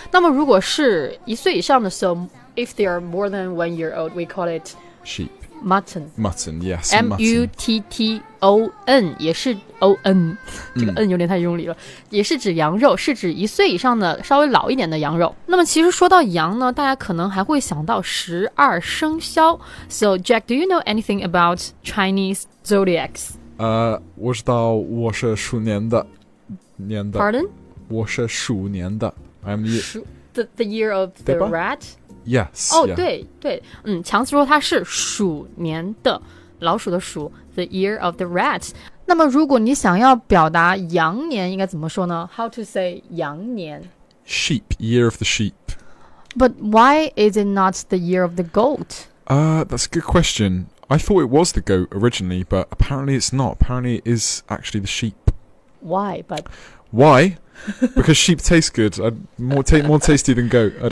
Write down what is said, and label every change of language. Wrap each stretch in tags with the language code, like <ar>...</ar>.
<zh>那么如果是一岁以上的</zh> <en>，so if they are more than 1 year old, we call it sheep. Mutton. Mutton. Yes.</en> <zh>M U T T O N 也是 O N， 这个 N 有点太用力了，也是指羊肉，是指一岁以上的稍微老一点的羊肉。那么其实说到羊呢，大家可能还会想到十二生肖。</zh> <en>So Jack, do you know anything about Chinese zodiacs?</en> <zh>我知道我是鼠年的。</zh> <en>Pardon?</en> <zh>我是鼠年的。</zh> <en>I'm the year of the rat. Yes.</en> <zh>对，强子说他是鼠年的。老鼠的鼠</zh> <en>the year of the rat.</en> <zh>那么如果你想要表达羊年应该怎么说呢？</zh> <en>How to say 羊年？ Sheep, year of the sheep. But why is it not the year of the goat? That's a good question. I thought it was the goat originally, but apparently it's not. Apparently it is actually the sheep. Why? But... Why? Because sheep taste good. More tasty than goat. I don't</en>